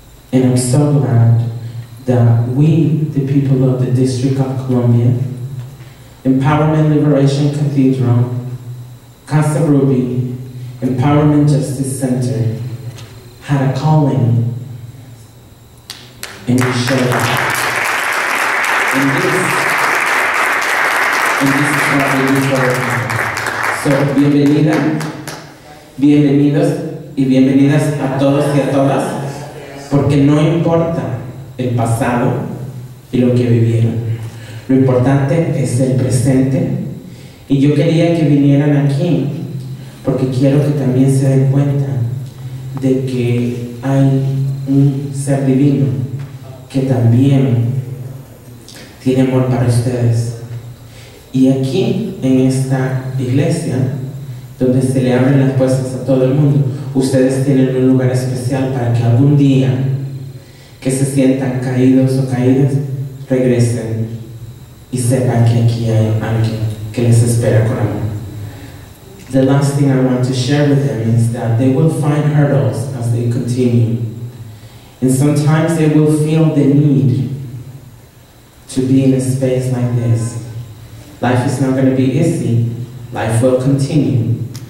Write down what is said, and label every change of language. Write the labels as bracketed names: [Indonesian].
[English] And I'm so glad that we, the people of the District of Columbia, Empowerment Liberation Cathedral, Casa Ruby, Empowerment Justice Center, had a calling, and we showed up. And this is what we do for us. [Spanish] So, bienvenida, bienvenidos y bienvenidas a todos y a todas, porque no importa el pasado y lo que vivieron. Lo importante es el presente. Y yo quería que vinieran aquí porque quiero que también se den cuenta de que hay un ser divino que también tiene amor para ustedes. Y aquí, en esta iglesia, donde se le abren las puertas a todo el mundo, ustedes tienen un lugar especial para que algún día que se sientan caídos o caídas, regresen y sepan que aquí hay alguien que les espera con amor. [English] The last thing I want to share with them is that they will find hurdles as they continue. And sometimes they will feel the need to be in a space like this. Life is not going to be easy. Life will continue.